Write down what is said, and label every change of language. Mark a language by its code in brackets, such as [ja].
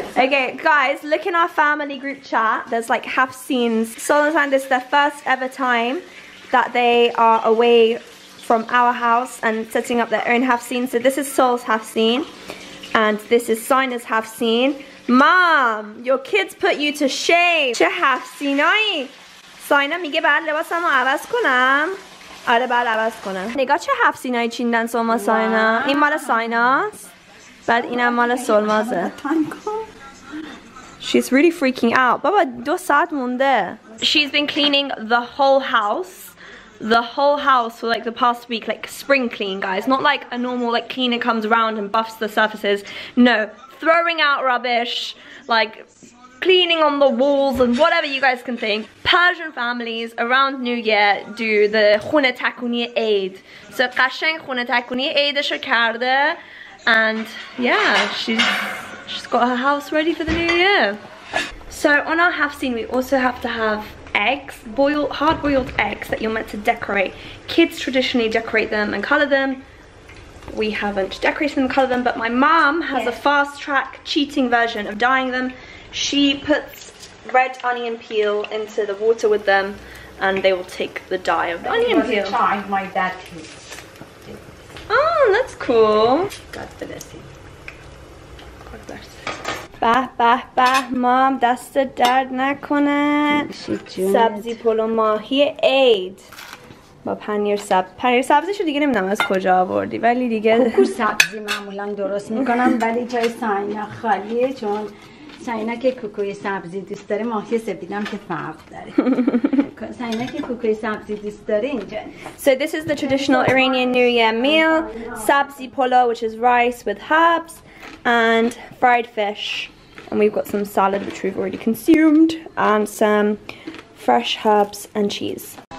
[en] Okay, guys, look in our family group chat. There's like half scenes. Sol and Sandis, their first ever time that they are away from our house and setting up their own half scene. So this is Sol's half scene, and this is Sina's half scene. Mom, your kids put you to shame. چه half scene. [fa] Sina میگه بعد لباسمو عوض کنم. آره بعد عوض کنم. نگاه چه half scene چیندن سوما ساینا. این مال سایناست. بعد اینم مال سلمازه. [en] She's really freaking out. [fa] بابا دو ساعت مونده. [en] She's been cleaning the whole house. The whole house for like the past week, like spring clean, guys. Not like a normal like cleaner comes around and buffs the surfaces. No, throwing out rubbish, like cleaning on the walls and whatever you guys can think. Persian families around New Year do the خونه تکونی عید. [fa] So قشنگ خونه تکونی عیدشو کرده. [en] And yeah, she's got her house ready for the new year. So on our half scene, we also have to have eggs, boiled, hard boiled eggs that you're meant to decorate. Kids traditionally decorate them and color them. We haven't decorated them and colored them, but my mom has a fast track cheating version of dyeing them. She puts red onion peel into the water with them and they will take the dye of the onion peel. My dad too. Oh, that's cool. God bless you. God bless you. Bah, bah, bah, mom, [fa] دست درد نکنه. سبزی پلو ماهی عید. با پنیر سبز. پنیر سبزشو دیگه نمیدونم از کجا آوردی. ولی دیگه کوکو سبزی معمولا درست میکنم ولی جای ساینا خالیه چون ساینا که کوکوی سبزی دوست داره ماهی سفیدم که فرق داره. [en] So this is the traditional Iranian New Year meal, sabzi polo, which is rice with herbs, and fried fish. And we've got some salad, which we've already consumed, and some fresh herbs and cheese.